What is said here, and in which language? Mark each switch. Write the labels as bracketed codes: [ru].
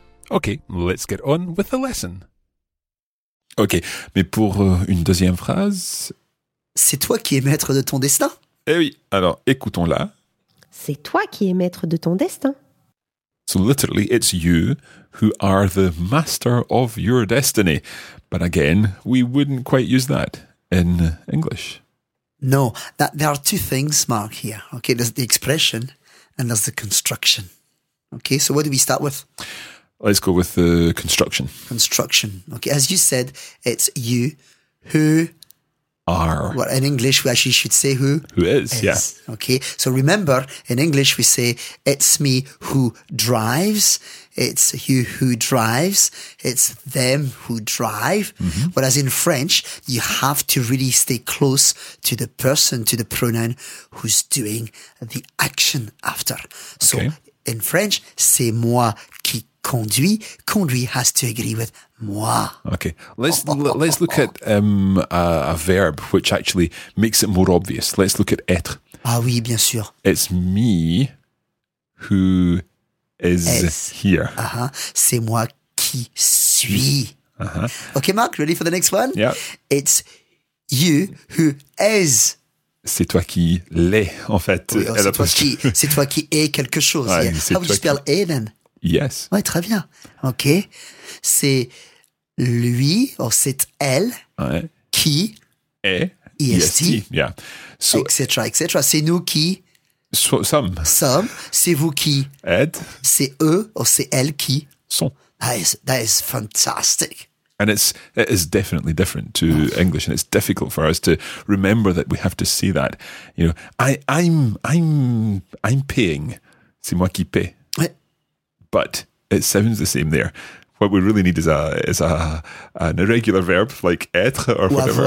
[en] Okay, let's get on with the lesson. [fr] Okay, mais pour une deuxième phrase... C'est toi qui es maître de ton destin? Eh oui, alors écoutons-la. C'est toi qui es maître de ton destin. [en] So literally, it's you who are the master of your destiny. But again, we wouldn't quite use that in English. No, that, there are two things, Mark, here. Okay, there's the expression and there's the construction. Okay, so what do we start with? Let's go with the construction. Construction. Okay, as you said, it's you who... Are. Well, in English, we actually should say who? Who is, yeah. Okay, so remember, in English, we say, it's me who drives. It's you who drives. It's them who drive. Mm-hmm. Whereas in French, you have to really stay close to the person, to the pronoun who's doing the action after. So okay. In French, [fr] c'est moi qui conduit. [en] Conduit has to agree with moi. Okay, let's look at a verb which actually makes it more obvious. Let's look at être. [fr] Ah oui, bien sûr. [en] It's me who is here. [fr] Uh-huh. C'est moi qui suis. Uh-huh. [en] Okay, Mark, ready for the next one? Yeah. It's you who is. [fr] C'est toi qui l'es, en fait. Oui, oh, c'est toi qui es quelque chose. [en] Ah, yeah. How would you spell qui... then? Yes. [fr] Oui, très bien. OK. C'est lui, ou c'est elle, ouais. Qui est, EST, [en] yeah. [fr] So, etc., etc. C'est nous qui sommes. C'est vous qui êtes. C'est eux, ou c'est elles qui sont. [en] That is fantastic. And it is definitely different to English, and it's difficult for us to remember that we have to say that. You know, I'm paying. [fr] C'est moi qui paye. Ouais. [en] But it sounds the same there. What we really need is an irregular verb like être or whatever,